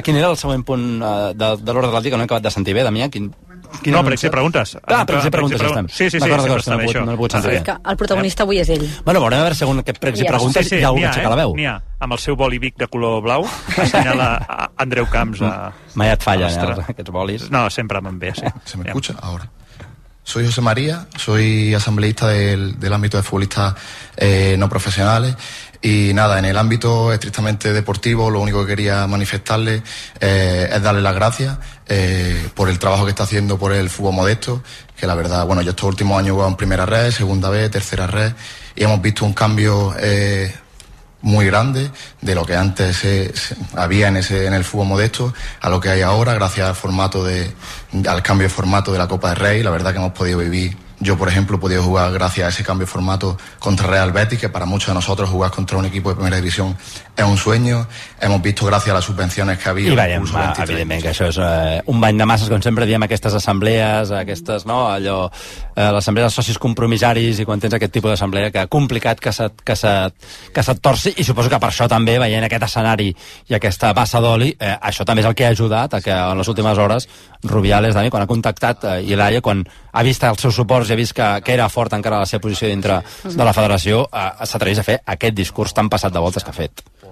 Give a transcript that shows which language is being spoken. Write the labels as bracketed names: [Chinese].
[Catalan] Quin era el següent punt de l'ordre del dia que no he acabat de sentir bé, Damià? No, prec si preguntes. Ah, prec si preguntes, estem. Sí, d'acord, no he pogut sentir bé. El protagonista avui és ell. Bueno, veurem a veure si aquest prec si preguntes hi ha algú que aixeca la veu. N'hi ha, amb el seu boli Vic de color blau, assenyala Andreu Camps a... Mai et falla, aquests bolis. No, sempre me'n ve, sí. [Spanish] Se me escucha ahora. Soy José María, soy asambleísta del ámbito de futbolistas no profesionales. Y nada, en el ámbito estrictamente deportivo, lo único que quería manifestarle es darle las gracias por el trabajo que está haciendo por el fútbol modesto, que la verdad, bueno, yo estos últimos años jugué en primera red, segunda B, tercera red, y hemos visto un cambio muy grande de lo que antes había en el fútbol modesto a lo que hay ahora, gracias al formato al cambio de formato de la Copa del Rey. La verdad que hemos podido vivir, yo por ejemplo he podido jugar gracias a ese cambio de formato contra Real Betis, que para muchos de nosotros jugar contra un equipo de primera división es un sueño. Hemos visto gracias a las subvenciones que había. [Catalan] I veiem, evidentment, que això és un bany de masses, com sempre diem, aquestes assemblees, aquestes, no, allò, l'assemblea dels socis compromissaris, i quan tens aquest tipus d'assemblea, que complicat que se't torci, i suposo que per això també, veient aquest escenari i aquesta bassa d'oli, això també és el que ha ajudat a que en les últimes hores Rubiales, Dani, quan ha contactat Ilaia, quan ha vist els seus suports i ha vist que era fort encara la seva posició dintre de la federació, s'atreveix a fer aquest discurs tan passat de voltes que ha fet.